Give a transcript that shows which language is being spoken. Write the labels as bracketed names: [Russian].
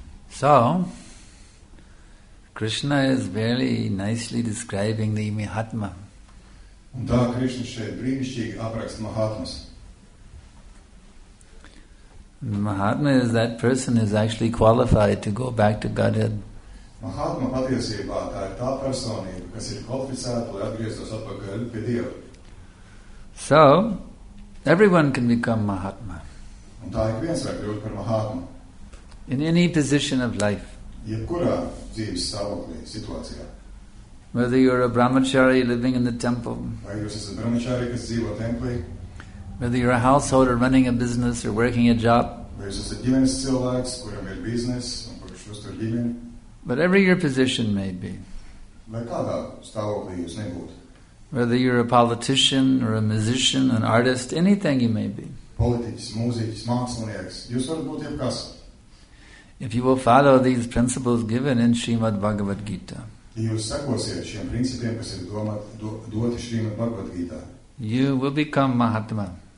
[English] So, Krishna is very nicely describing the Mahatma. [Latvian] Un tā Krishna šeit brīnišķīgi apraksta Mahatmas. [English] Mahatma is that person who is actually qualified to go back to Godhead. [Latvian] Mahatma patiesībā tā ir tā personība, kas ir kvalificēta, lai atgrieztos atpakaļ pie Dieva. [English] So, everyone can become Mahatma. [Latvian] Un tā ik viens var kļūt par Mahatma. [English] In any position of life. [Latvian] Jebkurā dzīves stāvoklī, situācijā. [English] Whether you are a brahmachari living in the temple. [Latvian] Vai jūs esat brahmachari, kas dzīvo templī. [English] Whether you are a householder running a business or working a job. [Latvian] Vai jūs esat ģimenes cilvēks, kuram ir biznes un kurš uztur ģimeni. [English] Whatever your position may be. [Latvian] Vai kādā stāvoklī jūs nebūtu. [English] Whether you are a politician or a musician, an artist, anything you may be. [Latvian] Politiķis, mūziķis, mākslinieks, jūs varat būt jebkas. [English] If you will follow these principles given in Srimad Bhagavad Gita, you will become Mahatma.